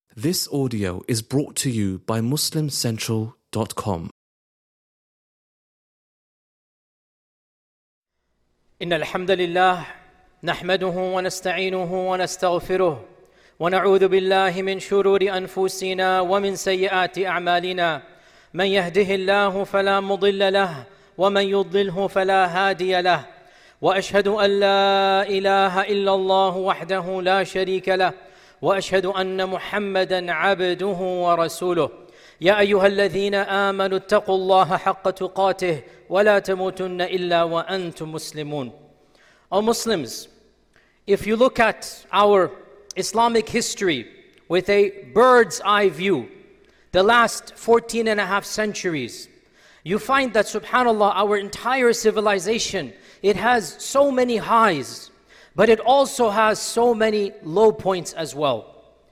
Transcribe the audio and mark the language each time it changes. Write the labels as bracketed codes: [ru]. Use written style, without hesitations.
[en] This audio is brought to you by MuslimCentral.com. [ar] إن الحمد لله نحمده ونستعينه ونستغفره ونعوذ بالله من شرور أنفسنا ومن سيئات أعمالنا من يهده الله فلا مضل له ومن يضلله فلا هادي له وأشهد أن لا إله إلا الله وحده لا شريك له وأشهد أن محمدًا عبده ورسوله يا أيها الذين آمنوا اتقوا الله حق تقاته ولا تموتن إلا وأنتم مسلمون. [en] O Muslims, if you look at our Islamic history with a bird's eye view, the last 14 and a half centuries, you find that subhanAllah, our entire civilization, it has so many highs, but it also has so many low points as well.